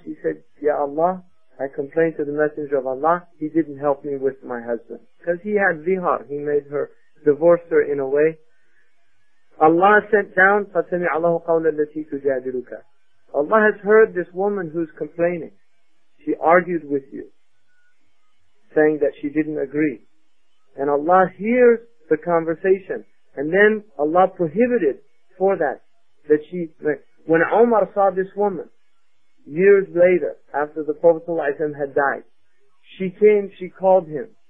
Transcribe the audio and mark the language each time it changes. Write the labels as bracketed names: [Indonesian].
[English] She said, Ya Allah, I complained to the Messenger of Allah. He didn't help me with my husband. Because he had zihar. He made her, divorce her in a way. Allah sent down, [Arabic] فَسَمِعَ اللَّهُ قَوْلَ الَّتِي تُجَادِلُكَ. [English] Allah has heard this woman who's complaining. She argued with you, saying that she didn't agree. And Allah hears the conversation. And then Allah prohibited for that, that she, when Umar saw this woman, years later, after the Prophet ﷺ had died, she came, she called him.